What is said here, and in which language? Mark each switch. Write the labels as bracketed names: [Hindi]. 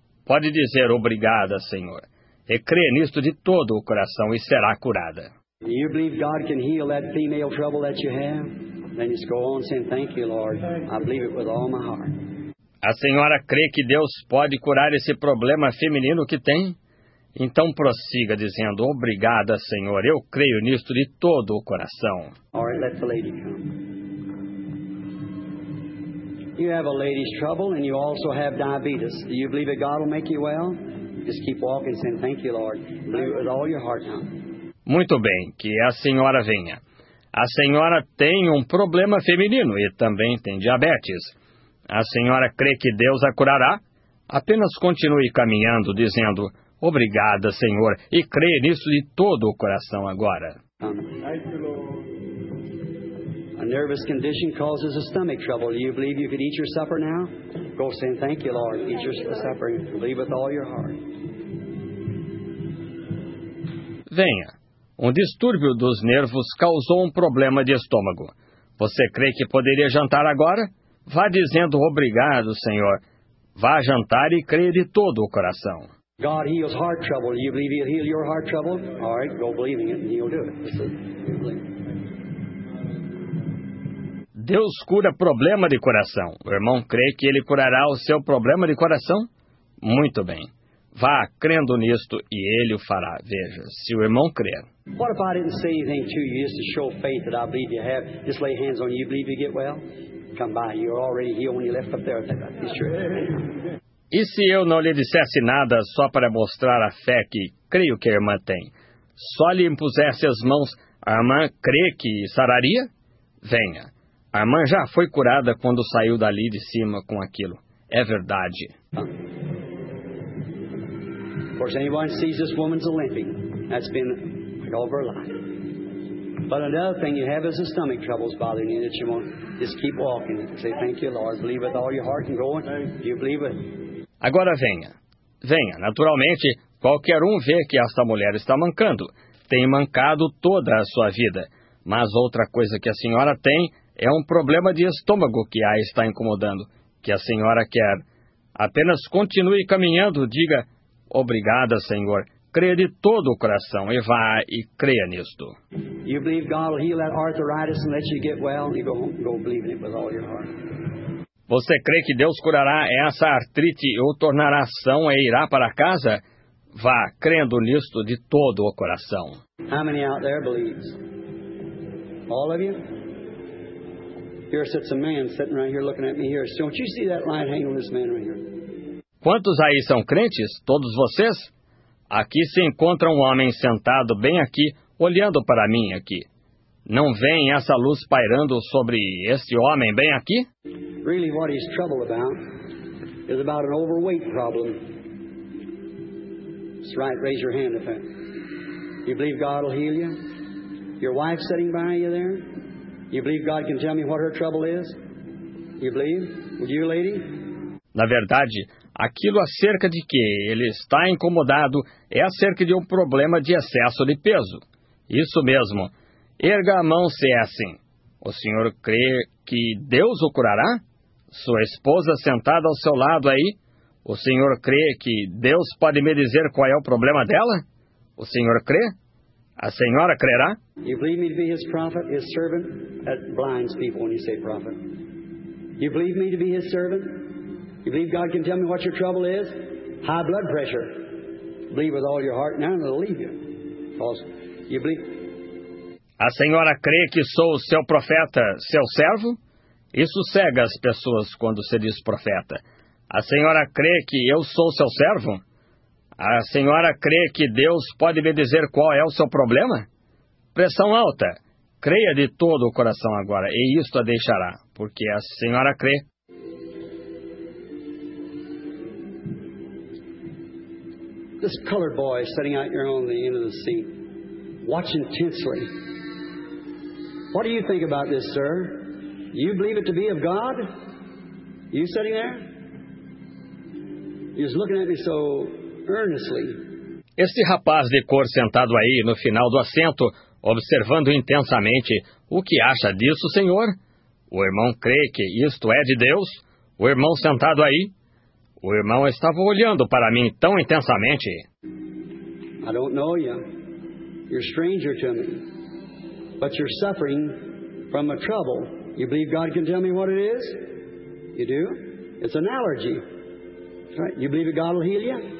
[Portuguese] Pode dizer obrigada, Senhor. E crê nisto de todo o coração e será curada. [English] Do you believe God can heal that female trouble that you have? Then just go on saying, thank you, Lord. I believe it with all my heart. [Portuguese] A senhora crê que Deus pode curar esse problema feminino que tem? Então prossiga dizendo, obrigada, Senhor. Eu creio nisto de todo o coração. [English] All right, let the lady come. You have a lady's trouble and you also have diabetes. Do you believe that God will make you well? Just keep walking saying, thank you, Lord. Believe it with all your heart now. Muito bem, que a senhora venha. A senhora tem um problema feminino e também tem diabetes. A senhora crê que Deus a curará? Apenas continue caminhando, dizendo, obrigada, Senhor, e crê nisso de todo o coração agora. A nervous condition causes a stomach trouble. Do you believe you could eat your supper now? Go saying, thank you, Lord. Eat your supper and believe with all your heart. [Portuguese] Venha. Um distúrbio dos nervos causou um problema de estômago. Você crê que poderia jantar agora? Vá dizendo obrigado, Senhor. Vá jantar e crê de todo o coração. [English] God heals heart trouble. You believe he'll heal your heart trouble? All right, go believing it and he'll do it. [Portuguese] Deus cura problema de coração. O irmão crê que ele curará o seu problema de coração? Muito bem. Vá crendo nisto e ele o fará. Veja, se o irmão crer. [English] What if I didn't say anything to you just to show faith that I believe you have? Just lay hands on you. You believe you get well? Come by. You're already healed when you left up there. It's true. [Portuguese] E se eu não lhe dissesse nada só para mostrar a fé que creio que a irmã tem? Só lhe impusesse as mãos, a irmã crê que sararia? Venha. A irmã já foi curada quando saiu dali de cima com aquilo. É verdade. [English] Of course, anyone sees this woman's limping. That's been all her life. But another thing you have is the stomach troubles bothering you that you want. Just keep walking. Say, thank you, Lord. Believe with all your heart and go on. Do you believe it? [Portuguese] Agora venha. Venha. Naturalmente, qualquer um vê que esta mulher está mancando. Tem mancado toda a sua vida. Mas outra coisa que a senhora tem é um problema de estômago que a está incomodando, que a senhora quer. Apenas continue caminhando, diga, obrigada, Senhor. Creia de todo o coração e vá e creia nisto. [English] You believe God will heal that arthritis and let you get well? You go home, go believe it with all your heart. [Portuguese] Você crê que Deus curará essa artrite ou tornará são e irá para casa? Vá crendo nisto de todo o coração. [English] How many out there believes? All of you? Here sits a man sitting right here looking at me here. Don't you see that light hanging on this man right here? [Portuguese] Quantos aí são crentes? Todos vocês? Aqui se encontra um homem sentado bem aqui, olhando para mim aqui. Não vem essa luz pairando sobre este homem bem aqui? [English] Really, what he's troubled about is about an overweight problem. That's right, raise your hand if you believe God will heal you. Your wife sitting by you there? You believe God can tell me what her trouble is? You believe? Would you, lady? [Portuguese] Na verdade, aquilo acerca de que ele está incomodado é acerca de um problema de excesso de peso. Isso mesmo. Erga a mão se é assim. O senhor crê que Deus o curará? Sua esposa sentada ao seu lado aí? O senhor crê que Deus pode me dizer qual é o problema dela? O senhor crê? A senhora crerá? [English] You believe me to be his prophet, his servant? That blinds people when you say prophet. You believe me to be his servant? You believe God can tell me what your trouble is? High blood pressure. Believe with all your heart now and it'll leave you. Also, you believe? [Portuguese] A senhora crê que sou o seu profeta, seu servo? Isso cega as pessoas quando se diz profeta. A senhora crê que eu sou seu servo? A senhora crê que Deus pode me dizer qual é o seu problema? Pressão alta. Creia de todo o coração agora e isto a deixará, porque a senhora crê. [English] This colored boy sitting out here on the end of the seat, watching intensely. What do you think about this, sir? You believe it to be of God? You sitting there? He's looking at me so earnestly. [Portuguese] Este rapaz de cor sentado aí no final do assento, observando intensamente, o que acha disso, senhor? O irmão crê que isto é de Deus? O irmão sentado aí? O irmão estava olhando para mim tão intensamente. [English] I don't know you. You're a stranger to me. But you're suffering from a trouble. You believe God can tell me what it is? You do? It's an allergy. Right. You believe that God will heal you?